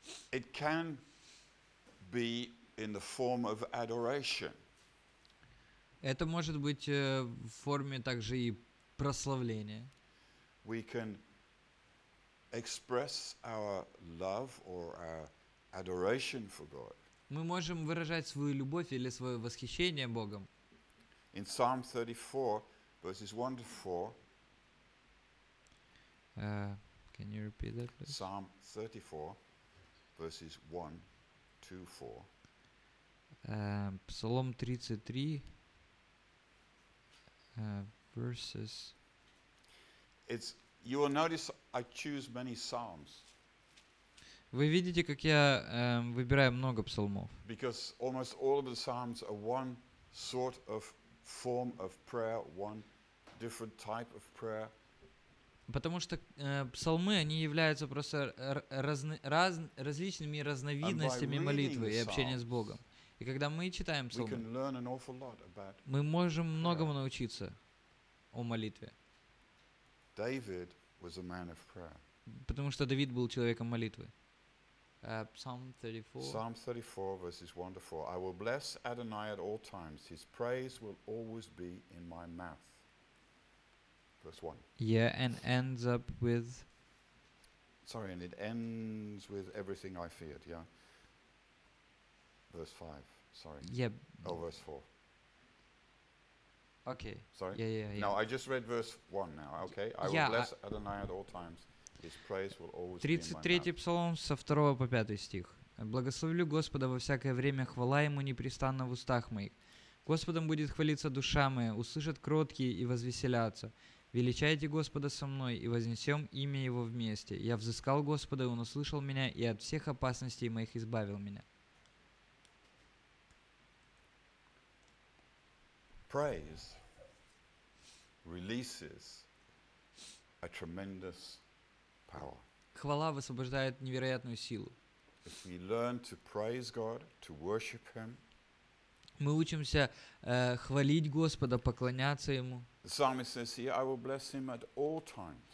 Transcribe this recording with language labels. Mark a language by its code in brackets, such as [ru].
[en] It can be in the form of adoration. [ru] Это может быть в форме также и прославления. [en] We can express our love or our adoration for God. [ru] Мы можем выражать свою любовь или свое восхищение Богом. [en] In Psalm 34, verses 1 to 4. Can you repeat that, please? Psalm 34, verses 1 to 4. [ru] Псалом 33, [en] verses. It's, you will notice I choose many psalms. [ru] Вы видите, как я выбираю много псалмов. [en] Because almost all of the psalms are one sort of form of prayer, one different type of prayer. [ru] Потому что псалмы, они являются просто различными разновидностями молитвы и общения с Богом. И когда мы читаем псалмы, мы можем многому научиться о молитве. [en] David was a man of prayer. [ru] Потому что Давид был человеком молитвы. [en] Psalm 34. Psalm 34, verses 1 to 4. I will bless Adonai at all times. His praise will always be in my mouth. Verse 1. Yeah, and ends up with... Sorry, and it ends with everything I feared, yeah? Verse 5, sorry. Yeah. Oh, verse 4. Okay. Sorry? Yeah. No, I just read verse 1 now, okay? I will bless Adonai at all times. His praise will always be in my mouth. [ru] 33-й псалом со 2 по 5 стих. Благословлю Господа во всякое время, хвала Ему непрестанно в устах моих. Господом будет хвалиться душа моя, услышат кроткие и возвеселятся. Величайте Господа со мной, и вознесем имя Его вместе. Я взыскал Господа, и Он услышал меня, и от всех опасностей моих избавил меня. [en] Praise releases a tremendous power. [ru] Хвала высвобождает невероятную силу. [en] If we learn to praise God, to worship Him, [ru] мы учимся хвалить Господа, поклоняться Ему. [en] Psalmist says, "I will bless Him at all times."